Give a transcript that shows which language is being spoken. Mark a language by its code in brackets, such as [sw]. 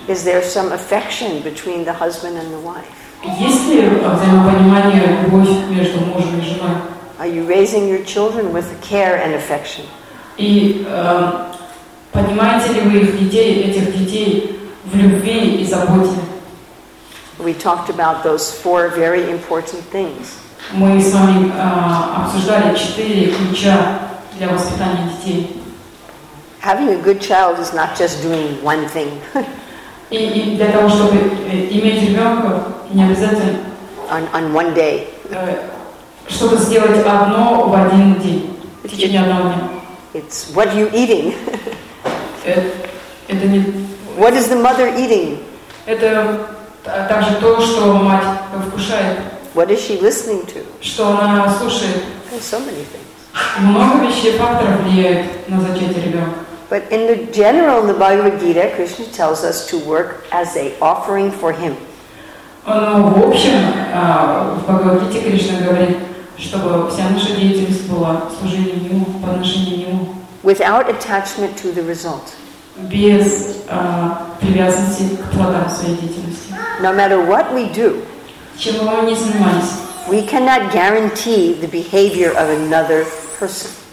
[en] Is there some affection between the husband and the wife? [ru] Есть ли взаимопонимание, любовь между мужем и женой? [en] Are you raising your children with care and affection? [ru] И поднимаете ли вы их детей, этих детей в любви и заботе? [en] We talked about those four very important things. [ru] Мы с вами обсуждали четыре ключа для воспитания детей. [en] Having a good child is not just doing one thing. [ru] И для того, чтобы иметь ребенка, не обязательно. [en] On one day. [ru] Что-то сделать одно в один день, в течение одного дня. [en] It's what are you eating? [ru] Это не... [en] What is the mother eating? [ru] Это также то, что мать вкушает. [en] What is she listening to? [ru] Что она слушает. [en] There's so many things. [ru] Много вещей, факторов влияет на зачатие ребенка. [en] But in the general, in the Bhagavad Gita, Krishna tells us to work as an offering for Him. [ru] Но в общем, в Бхагавад Гите Кришна говорит, чтобы вся наша деятельность была служением Ему, подношением Ему. [en] Without attachment to the result. [ru] Без привязанности к плодам своей деятельности. [en] No matter what we do, [ru] чем бы мы ни занимались, [en] we cannot guarantee the behavior of another person.